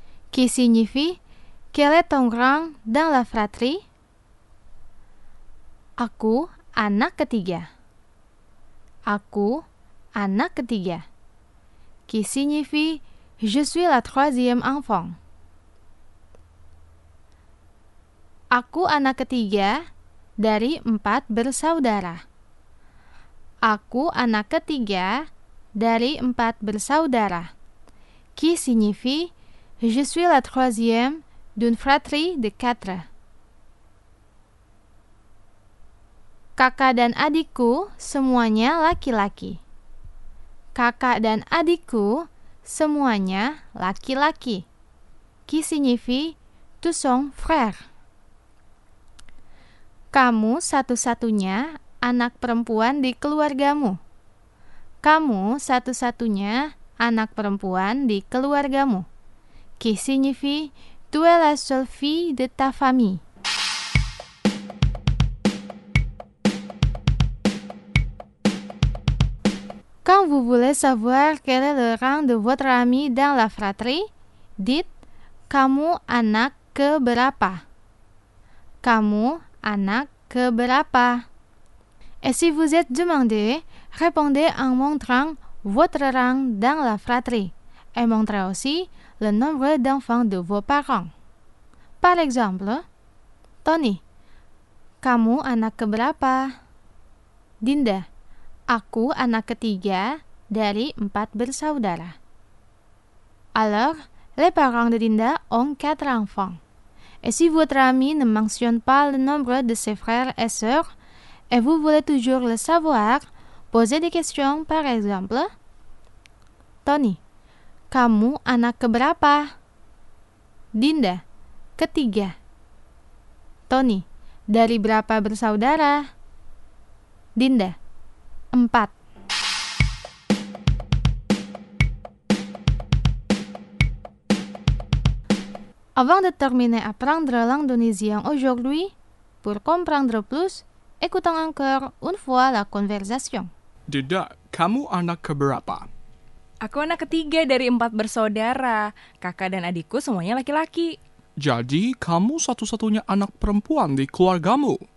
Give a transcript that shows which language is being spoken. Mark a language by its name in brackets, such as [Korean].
[French] Qui signifie quel est ton rang dans la fratrie? [Indonesian] Aku anak ketiga. Aku anak ketiga. [French] Qui signifie je suis la troisième enfant. [Indonesian] Aku anak ketiga dari 4 bersaudara. Aku anak ketiga dari 4 bersaudara. [French] Qui signifie je suis la troisième d'une fratrie de 4. [Indonesian] Kakak dan adikku semuanya laki-laki. Kakak dan adikku semuanya laki-laki. [French] Qui signifie tous sont frères. [Indonesian] Kamu satu-satunya anak perempuan di keluargamu. Kamu satu-satunya anak perempuan di keluargamu. [French] Qui signifie tu es la seule fille de ta famille. Quand vous voulez savoir quel est le rang de votre ami dans la fratrie, dites [Indonesian] kamu anak keberapa. Kamu anak keberapa. [French] Et si vous êtes demandé, répondez en montrant votre rang dans la fratrie et montrez aussi le nombre d'enfants de vos parents. Par exemple, [Indonesian] Tony, kamu anak keberapa? Dinda, aku anak ketiga dari 4 bersaudara. [French] Alors, les parents de Dinda ont 4 enfants. Et si votre ami ne mentionne pas le nombre de ses frères et sœurs, et vous voulez toujours le savoir, posez des questions, par exemple. [Indonesian] Tony, kamu anak keberapa? Dinda, ketiga. Tony, dari berapa bersaudara? Dinda, 4. [French] Avant de terminer apprendre l'indonésien aujourd'hui, pour comprendre plus, écoutons encore une fois la conversation. [Indonesian] Dinda, kamu anak keberapa? Aku anak ketiga dari 4 bersaudara. Kakak dan adikku semuanya laki-laki. Jadi, kamu satu-satunya anak perempuan di keluargamu?